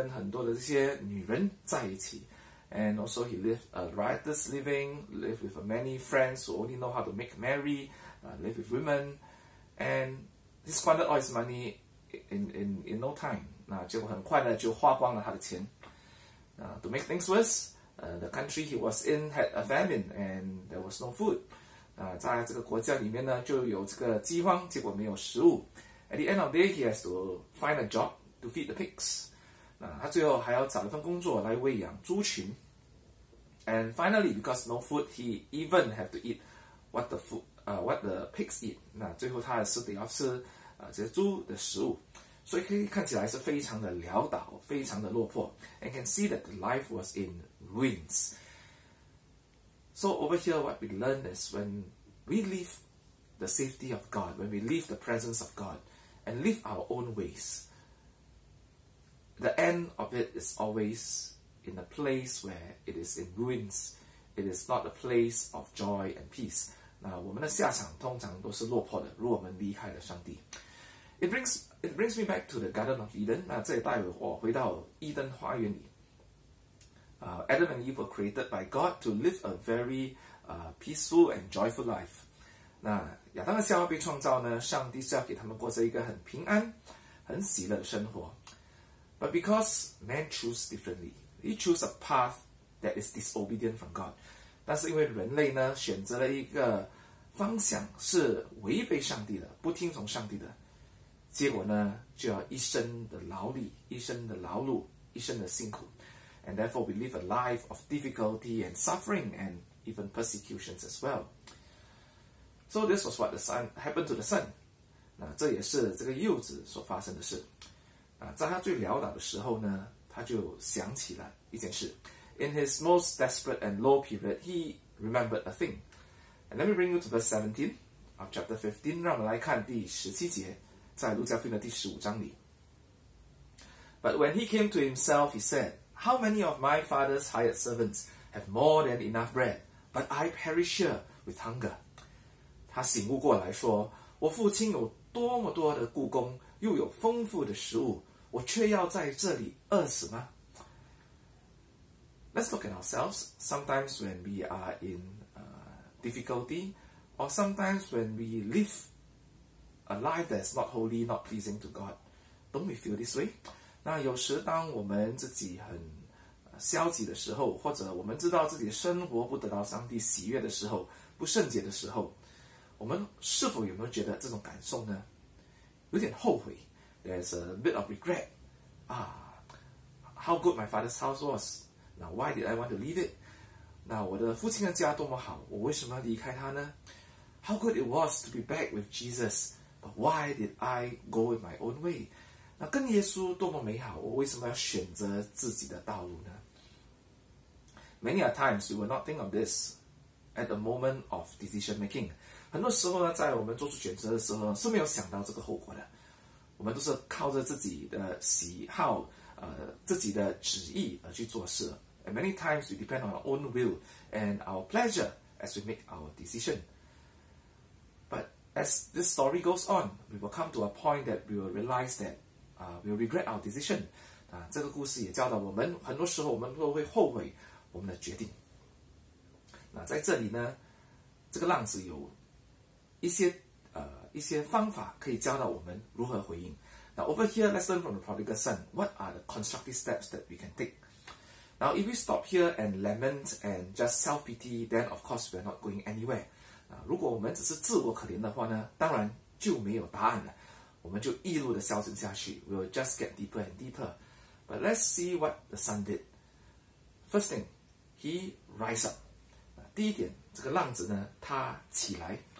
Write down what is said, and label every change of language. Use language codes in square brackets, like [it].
[zh] 那他过去，他离开了家过后呢，他去过一个放荡的生活，就找了很多猪朋狗友，圣经也讲跟很多的这些女人在一起。 [en] And also he lived a riotous living, lived with many friends who only know how to make merry, lived with women, and he squandered all his money in no time. [zh] 那结果很快呢就花光了他的钱。 [en] To make things worse, the country he was in had a famine and there was no food. [zh] 在这个国家里面呢就有这个饥荒，结果没有食物。 [en] At the end of the day, he has to find a job to feed the pigs. [zh] 他最后还要找一份工作来喂养猪群。 [en] And finally, because no food, he even had to eat what the food, what the pigs eat. [zh] 那最后他的 soup 要吃这些猪的食物。所以可以看起来是非常的潦倒，非常的落魄。 [en] And can see that life was in ruins. So over here, what we learn is when we leave the safety of God, when we leave the presence of God, and leave our own ways, the end of it is always in a place where it is in ruins. It is not a place of joy and peace. [zh] 那我们的下场通常都是落魄的，如果我们离开了上帝。 [en] It brings me back to the Garden of Eden. [zh] 那这也带我回到伊登花园里。 [en] Adam and Eve were created by God to live a very peaceful and joyful life. [zh] 那亚当和夏娃被创造呢，上帝是要给他们过着一个很平安、很喜乐的生活。 [en] But because man choose differently, he choose a path that is disobedient from God. [zh] 但是因为人类呢，选择了一个方向是违背上帝的，不听从上帝的。结果呢，就要一生的劳力，一生的劳碌，一生的辛苦。 [en] And therefore we live a life of difficulty and suffering and even persecutions as well. So this was what the son happened to the son. [zh] 那这也是这个幼子所发生的事。在他最潦倒的时候呢，他就想起了一件事。 [en] In his most desperate and low period, he remembered a thing. And let me bring you to verse 17 of chapter 15. [zh] 让我们来看第17节，在路加福音的第十五章里。 [en] But when he came to himself, he said, How many of my father's hired servants have more than enough bread, but I perish here with hunger? [zh] 他醒悟过来说，我父亲有多么多的雇工，又有丰富的食物，我却要在这里饿死吗？ [en] Let's look at ourselves. Sometimes when we are in difficulty, or sometimes when we liveA life that is not holy, not pleasing to God. Don't we feel this way? [zh] 那有时当我们自己很消极的时候，或者我们知道自己生活不得到上帝喜悦的时候，不圣洁的时候，我们是否有没有觉得这种感受呢？有点后悔。 [en] There's a bit of regret. How good my father's house was. Now, why did I want to leave it? [zh] 那我的父亲的家多么好，我为什么要离开他呢？ [en] How good it was to be back with Jesus. But why did I go in my own way? [zh] 那跟耶稣多么美好，我为什么要选择自己的道路呢？ [en] Many a times we will not think of this at the moment of decision making. [zh] 很多时候呢，在我们做出选择的时候是没有想到这个后果的。我们都是靠着自己的喜好，自己的旨意而去做事。 [en] And many times we depend on our own will and our pleasure as we make our decision. As this story goes on, we will come to a point that we will realize that we will regret our decision. [zh] 这个故事也教导我们，很多时候我们都会后悔我们的决定。那在这里呢，这个浪子有一些方法可以教导我们如何回应。 [en] Now over here, let's learn from the prodigal son. What are the constructive steps that we can take? Now if we stop here and lament and just self-pity, then of course we are not going anywhere. [zh] 如果我们只是自我可怜的话呢，当然就没有答案了，我们就一路的消沉下去。 [en] We'll just get deeper and deeper. But let's see what the son did. First thing, he rise up. [zh] 第一点，这个浪子呢，他起来。